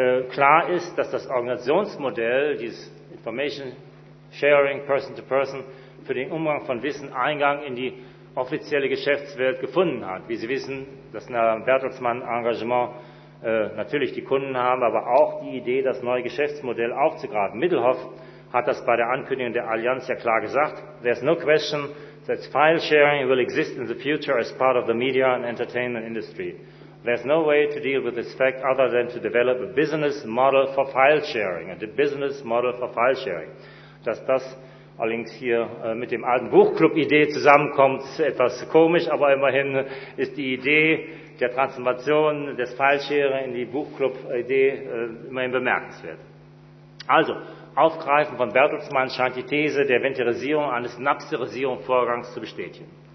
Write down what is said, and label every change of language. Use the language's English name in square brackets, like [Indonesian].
[German] Klar ist, dass das Organisationsmodell, dieses [English] Information Sharing Person to Person, [German] für den Umgang von Wissen Eingang in die offizielle Geschäftswelt gefunden hat. Wie Sie wissen, das Bertelsmann-Engagement natürlich die Kunden haben, aber auch die Idee, das neue Geschäftsmodell aufzugreifen. Middelhoff hat das bei der Ankündigung der Allianz ja klar gesagt. [English] There's no question that file-sharing will exist in the future as part of the media and entertainment industry. There's no way to deal with this fact other than to develop a business model for file-sharing. And a business model for file-sharing. [German] Dass das allerdings hier mit dem alten Buchclub-Idee zusammenkommt, ist etwas komisch, aber immerhin ist die Idee der Transformation des File-Sharing in die Buchclub-Idee immerhin bemerkenswert. Also, aufgreifend von Bertelsmann scheint die These der Ventilisierung eines Napsterisierungsvorgangs zu bestätigen.